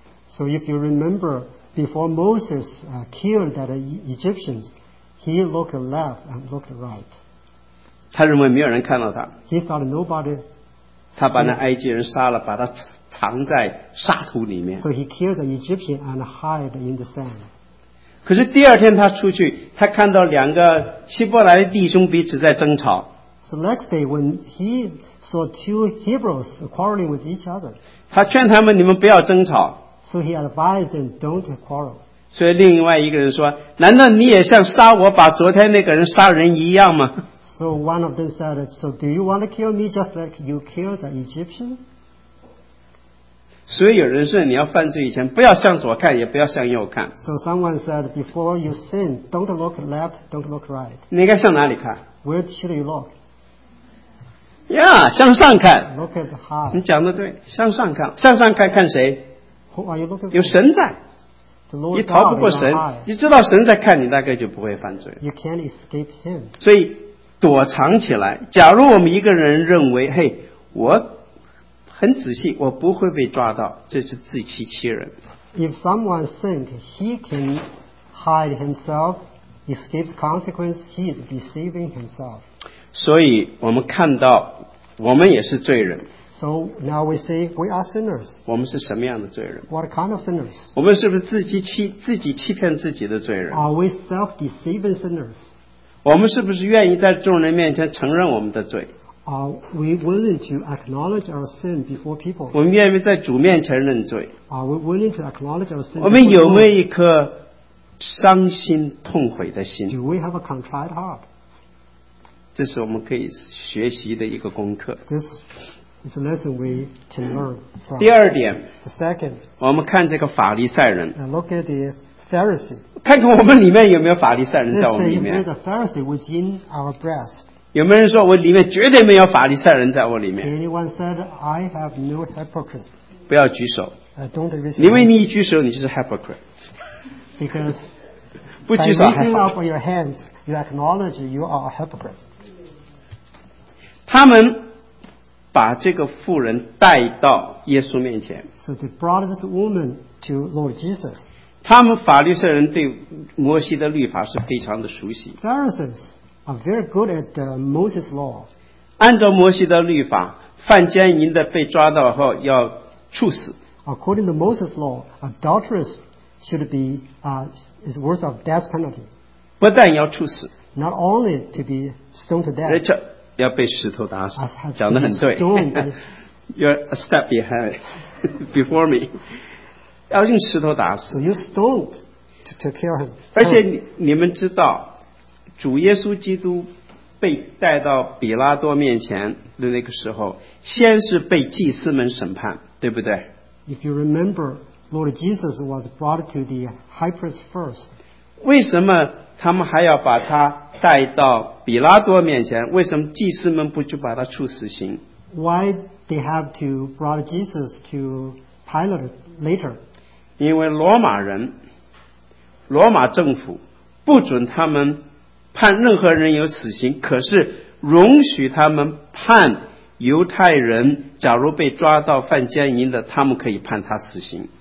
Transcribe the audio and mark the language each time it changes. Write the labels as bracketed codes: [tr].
[en] So if you remember, before Moses killed that Egyptians, he looked left and looked right. [zh] 他认为没有人看到他。 [en] He thought nobody. [zh] 他把那埃及人杀了，把他藏在沙土里面。 [en] So he killed the Egyptian and hid in the sand. [zh] 可是第二天他出去，他看到两个希伯来的弟兄彼此在争吵。 [en] So next day when he saw two Hebrews quarreling with each other. [zh] 他劝他们，你们不要争吵。 [en] So he advised them don't quarrel. [zh] 所以另外一个人说，难道你也像杀我把昨天那个人杀人一样吗？ [en] So one of them said, so do you want to kill me just like you killed the Egyptian? [zh] 所以有人说，你要犯罪以前不要向左看也不要向右看。 [en] So someone said, before you sin, don't look left, don't look right. [zh] 你应该向哪里看？ [en] Where should you look? [zh] Yeah, 向上看。 [en] Look at the heart. [zh] 你讲的对，向上看，向上看看谁？有神在，你逃不过神，你知道神在看你，大概就不会犯罪。 [en] You can't escape him. [zh] 所以躲藏起来。假如我们一个人认为，嘿，我很仔细，我不会被抓到，这是自欺欺人。 [en] If someone thinks he can hide himself, escape the consequence, he is deceiving himself. [zh] 所以我们看到，我们也是罪人。 [en] So now we say we are sinners. [zh] 我们是什么样的罪人？ [en] What kind of sinners? [zh] 我们是不是自己欺骗自己的罪人？ [en] Are we self-deceiving sinners? [zh] 我们是不是愿意在众人面前承认我们的罪？ [en] Are we willing to acknowledge our sin before people? [zh] 我们愿意在主面前认罪？ [en] Are we willing to acknowledge our sin? [zh] 我们有没有一颗伤心痛悔的心？ [en] Do we have a contrite heart? [zh] 这是我们可以学习的一个功课。 [en] It's a lesson we can learn from. [zh] 第二点， [en] the second, [zh] 我们看这个法利赛人。 [en] And look at the Pharisee. [zh] 看看我们里面有没有法利赛人在我们里面。 [en] There's a Pharisee within our breast. [zh] 有没有人说我里面绝对没有法利赛人在我里面？ [en] Anyone said I have no hypocrite? [zh] 不要举手。 [en] Don't raise. [zh] 因为你一举手，你就是 hypocrite. [en] Because [zh] 不举手 [en] by raising up your hands, you acknowledge you are a hypocrite. [zh] 他们把这个妇人带到耶稣面前。 [en] So they brought this woman to Lord Jesus. [zh] 他们法利赛人对摩西的律法是非常的熟悉。 [en] Pharisees are very good at Moses' law. [zh] 按照摩西的律法，犯奸淫的被抓到后要处死。 [en] According to Moses' law, adulteress should be is worth of death penalty. [zh] 不但要处死。 [en] Not only to be stoned to death. [zh] 要被石头打死，讲得很对。 [en] You're a step behind, before me. [zh] 要用石头打死。 [en] So you stoned to take care of him. [zh] 而且你们知道，主耶稣基督被带到比拉多面前的那个时候，先是被祭司们审判，对不对？ [en] If you remember, Lord Jesus was brought to the high priest first. [zh] 为什么他们还要把他带到比拉多面前？为什么祭司们不就把他处死刑？ [en] Why they have to brought Jesus to Pilate later? [zh] 因为罗马人，罗马政府不准他们判任何人有死刑，可是容许他们判犹太人，假如被抓到犯奸淫的，他们可以判他死刑。